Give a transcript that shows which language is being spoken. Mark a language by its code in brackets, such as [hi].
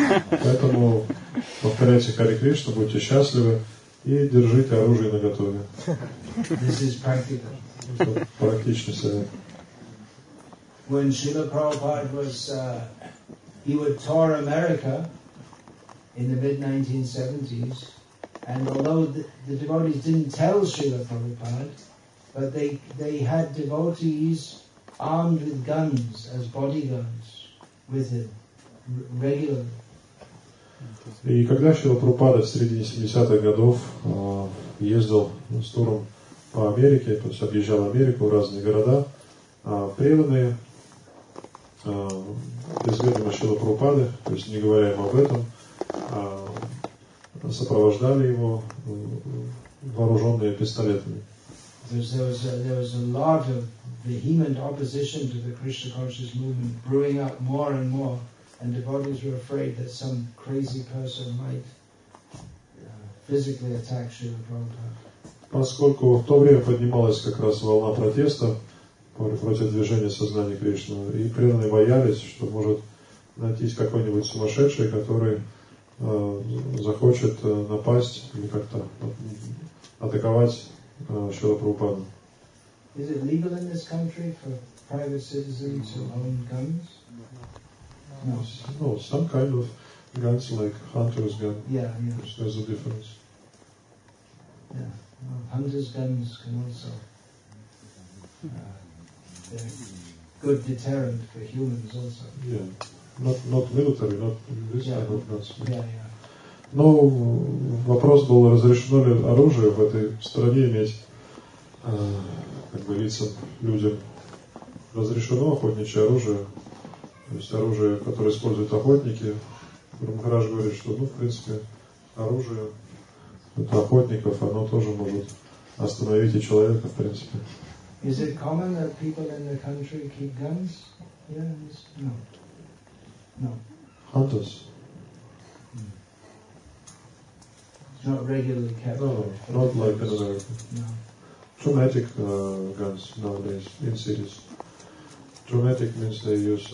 [ru] Поэтому повторяйте Хари Кришна, будьте счастливы и держите оружие наготове. [en] This is practical. [ru] Практичный совет. [en] When Srila Prabhupada was he would tour America in the mid-1970s, and although the devotees didn't tell Srila Prabhupada, but they had devotees armed with guns as bodyguards with him regularly. [ru] И когда Шрила Прабхупада в середине 70-х годов ездил с туром по Америке, то есть объезжал Америку в разные города, преданные без ведома Шрила Прабхупады, то есть не говоря им об этом, сопровождали его вооруженные пистолетами. [en] There was a lot of vehement opposition to the Krishna conscious movement brewing up more and more. And devotees were afraid that some crazy person might physically attack Srila Prabhupada. [ru] Поскольку в то время поднималась как раз волна протеста против движения сознания Кришны, и преданные боялись, что может найтись какой-нибудь сумасшедший, который захочет напасть или как-то атаковать Шрила Прабхупаду. [en] Is it legal in this country for private citizens to own guns? No, some kind of guns like hunter's gun. Yeah, yeah. There's a difference. Yeah, well, hunter's guns can also they're good deterrent for humans also. Yeah. Not military, not this type of nonsense. Yeah, yeah. [ru] Но вопрос был, разрешено ли оружие в этой стране иметь, как бы, лицам, людям. Разрешено охотничье оружие, то есть оружие, которое используют охотники. Брамхарадж говорит, что, ну, в принципе, оружие это охотников, оно тоже может остановить и человека, в принципе. [en] Is it common that people in the country keep guns? Yes? No. No. Hunters? Not regularly kept. No, not like in America. No. Traumatic guns nowadays in cities. Traumatic means they use